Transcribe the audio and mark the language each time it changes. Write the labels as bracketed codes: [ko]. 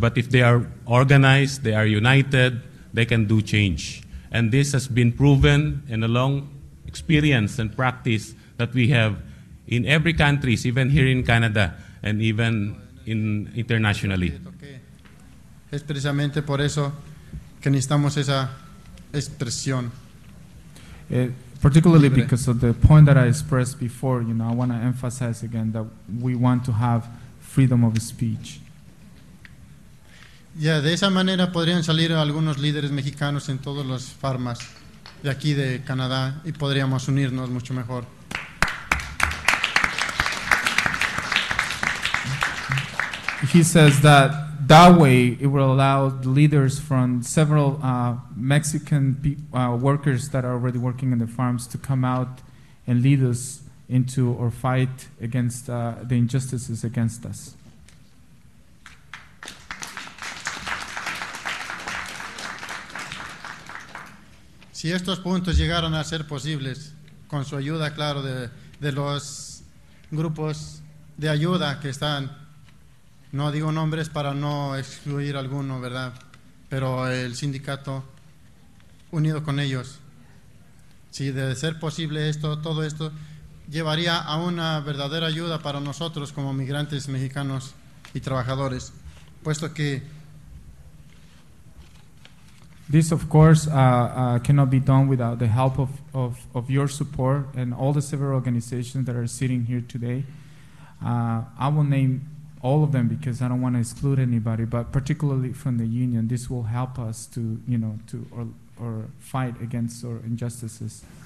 [en] But if they are organized, they are united, they can do change. And this has been proven in a long experience and practice that we have in every country, even here in Canada, and even in internationally. [es] Es precisamente por eso que necesitamos esa expresión. [en] Particularly because of the point that I expressed before, you know, I want to emphasize again that we want to have freedom of speech. [es] Yeah, de esa manera podrían salir algunos líderes mexicanos en todos los farmas de aquí de Canadá y podríamos unirnos mucho mejor. [en] He says that that way it will allow the leaders from several Mexican workers that are already working in the farms to come out and lead us into or fight against the injustices against us. [es] Si estos puntos llegaron a ser posibles con su ayuda, claro, de los grupos de ayuda que están. No digo nombres para no excluir alguno, ¿verdad? Pero el sindicato unido con ellos. Si de ser posible esto, todo esto llevaría a una verdadera ayuda para nosotros como migrantes mexicanos y trabajadores, puesto que [en] this of course cannot be done without the help of your support and all the several organizations that are sitting here today. I will name all of them because I don't want to exclude anybody, but particularly from the union, this will help us to, you know, to or fight against our injustices.